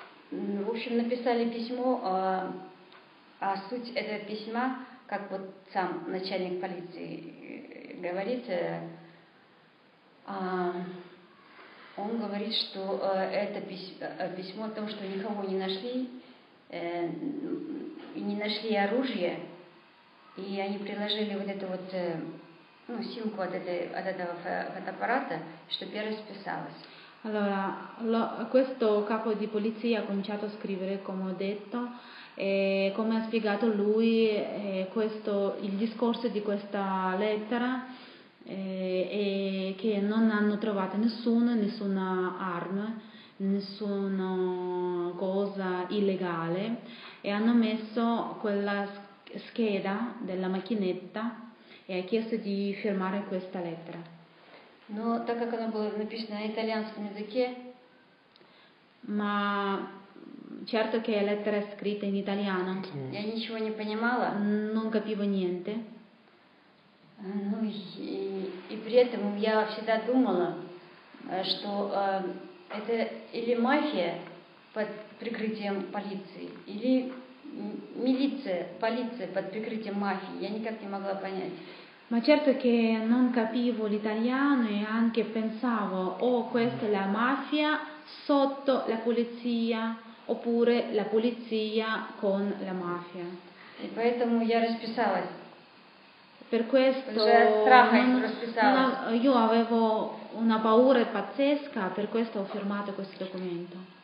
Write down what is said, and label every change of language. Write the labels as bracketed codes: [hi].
[ru] В общем, написали письмо, а суть этого письма, как вот сам начальник полиции говорит, он говорит, что это письмо о том, что никого не нашли, не нашли оружие, и они приложили вот эту вот симку от этого фотоаппарата, чтобы я расписалась. [it] Allora, questo capo di polizia ha cominciato a scrivere, come ho detto, e come ha spiegato lui, questo, il discorso di questa lettera, e che non hanno trovato nessuna arma, nessuna cosa illegale, e hanno messo quella scheda della macchinetta e ha chiesto di firmare questa lettera. [ru] Но так как она была написана на итальянском языке, [it] ma certo che la lettera è scritta in italiano. [ru] Я ничего не понимала. [it] Non capivo niente. [ru] Ну и при этом я всегда думала, что это или мафия под прикрытием полиции, или милиция, полиция под прикрытием мафии. Я никак не могла понять. [it] Ma certo che non capivo l'italiano e anche pensavo questa è la mafia sotto la polizia oppure la polizia con la mafia. [ru] E поэтому я расписалась. [it] Per questo io avevo una paura pazzesca, per questo ho firmato questo documento.